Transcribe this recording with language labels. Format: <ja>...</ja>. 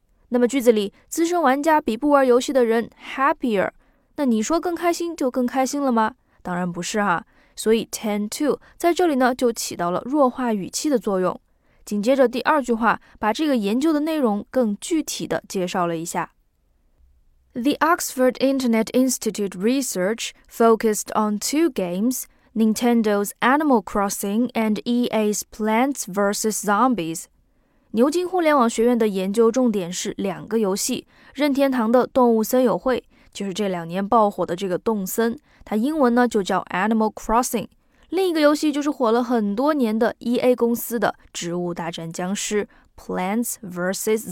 <zh>那么句子里资深玩家比不玩游戏的人</zh> <en>happier，</en> <zh>那你说更开心就更开心了吗？当然不是啊，所以</zh> <en>tend to</en> <zh>在这里呢就起到了弱化语气的作用。紧接着第二句话把这个研究的内容更具体的介绍了一下。</zh> <en>The Oxford Internet Institute research focused on two games, Nintendo's Animal Crossing and EA's Plants vs. Zombies.</en> <zh>牛津互联网学院的研究重点是两个游戏，任天堂的动物森友会，就是这两年爆火的这个动森，它英文呢就叫 Animal Crossing。另一个游戏就是火了很多年的 EA 公司的植物大战僵尸 Plants vs.</zh>